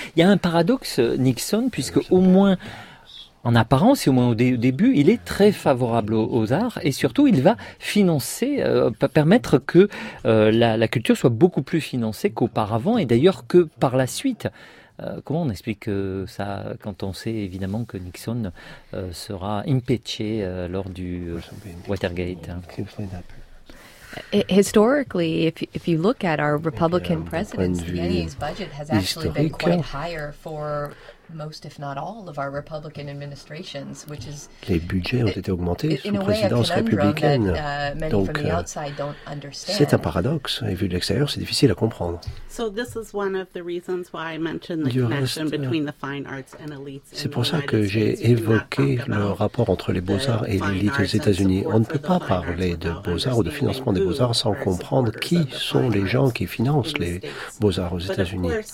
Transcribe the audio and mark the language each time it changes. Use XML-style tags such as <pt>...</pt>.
<fr>Il y a un paradoxe, Nixon, puisque au moins en apparence et au moins au début, il est très favorable aux arts et surtout il va financer, permettre que la culture soit beaucoup plus financée qu'auparavant et d'ailleurs que par la suite. Comment on explique ça quand on sait évidemment que Nixon sera impeaché lors du Watergate?</fr> <en>Historically, if you look at our Republican presidents, Kennedy's budget has actually been quite higher for most, if not all, of our Republican administrations, which is</en> <fr>les budgets ont été augmentés sous présidence républicaine. Donc, c'est un paradoxe, et vu de l'extérieur, c'est difficile à comprendre.</fr> <en>So this is one of the reasons why I mentioned the connection between the fine arts and elites.</en> <fr>C'est pour ça que j'ai évoqué le rapport entre les beaux-arts et l'élite aux États-Unis. On ne peut pas parler de beaux-arts ou de financement des beaux-arts sans comprendre qui sont les gens qui financent les beaux-arts aux États-Unis.</fr>